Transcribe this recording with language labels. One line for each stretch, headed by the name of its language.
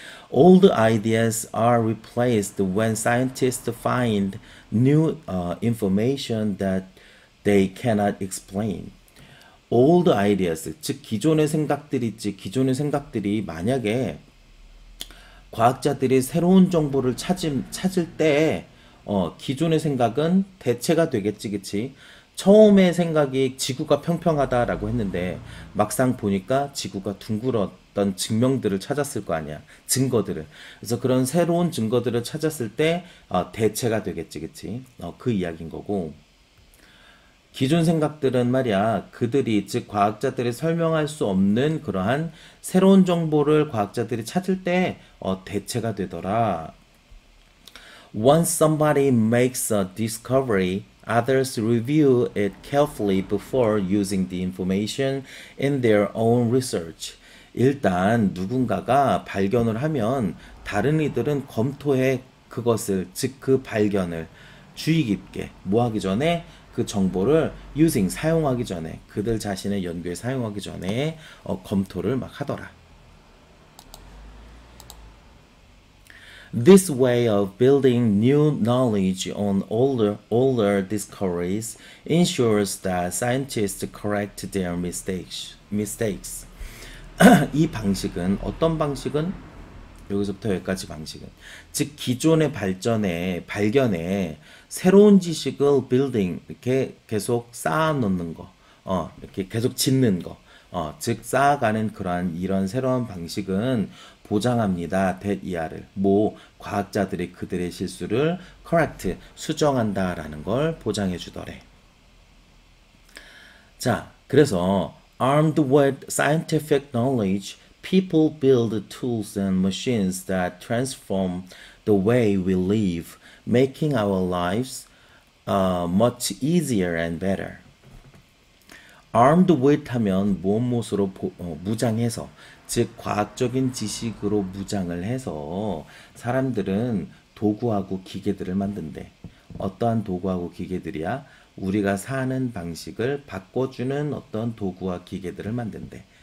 English: Old ideas are replaced when scientists find new information that they cannot explain. Old ideas,
Korean: 즉 기존의 생각들이 있지. 기존의 생각들이 만약에 과학자들이 새로운 정보를 찾을 때 기존의 생각은 대체가 되겠지, 그치? 처음의 생각이 지구가 평평하다라고 했는데 막상 보니까 지구가 둥그러 어떤 증명들을 찾았을 거 아니야. 증거들을. 그래서 그런 새로운 증거들을 찾았을 때 대체가 되겠지, 그치? 그 이야기인 거고. 기존 생각들은 말이야. 그들이, 즉 과학자들이 설명할 수 없는 그러한 새로운 정보를 과학자들이 찾을 때 대체가 되더라.
English: Once somebody makes a discovery, others review it carefully before using the information in their own research.
Korean: 일단 누군가가 발견을 하면 다른 이들은 검토해 그것을, 즉그 발견을 주의 깊게 뭐 하기 전에 그 정보를
English: using
Korean: 사용하기 전에 그들 자신의 연구에 사용하기 전에 검토를 막 하더라.
English: This way of building new knowledge on older discoveries ensures that scientists correct their mistakes.
Korean: 이 방식은, 어떤 방식은? 여기서부터 여기까지 방식은. 즉, 기존의 발전에, 발견에, 새로운 지식을
English: building,
Korean: 이렇게 계속 쌓아놓는 거, 이렇게 계속 짓는 거, 즉, 쌓아가는 그러한, 이런 새로운 방식은 보장합니다.
English: That
Korean: 이하를. 뭐, 과학자들이 그들의 실수를
English: correct,
Korean: 수정한다라는 걸 보장해 주더래. 자, 그래서,
English: Armed with scientific knowledge, people build tools and machines that transform the way we live, making our lives much easier and better. Armed with
Korean: 하면 무엇무엇으로 무장해서, 즉 과학적인 지식으로 무장을 해서 사람들은 도구하고 기계들을 만든대. 어떠한 도구하고 기계들이야? 우리가 사는 방식을 바꿔주는 어떤 도구와 기계들을 만든대.